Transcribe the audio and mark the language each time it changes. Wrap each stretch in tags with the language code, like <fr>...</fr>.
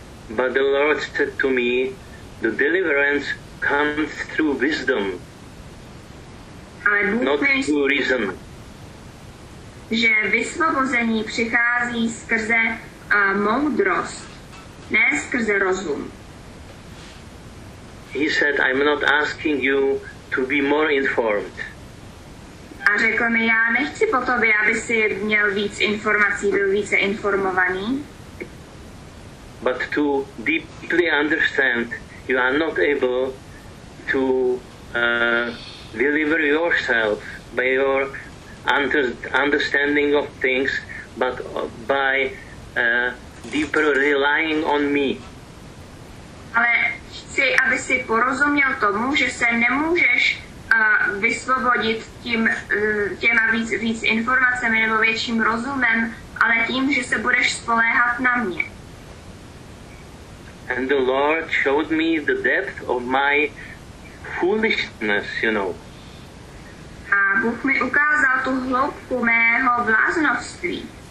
<en>But the Lord said to me, the deliverance comes through wisdom, not through reason.</en> <cs>Že vysvobození přichází skrze moudrost, ne skrze rozum.</cs> <en>He said, I'm not asking you to be more informed.</en> <cs>A řekl mi, já nechci po tobě, aby si měl víc informací, byl více informovaný.</cs> <en>But to deeply understand, you are not able to deliver yourself by your understanding of things, but by deeper relying on me.</en> <cs>Ale chci, aby si porozuměl tomu, že se nemůžeš vysvobodit tím těma víc informacemi nebo větším rozumem, ale tím, že se budeš spoléhat na mě.</cs> <en>And the Lord showed me the depth of my foolishness, you know.</en> <cs>A Bůh mi ukázal tu hloubku mého bláznovství.</cs>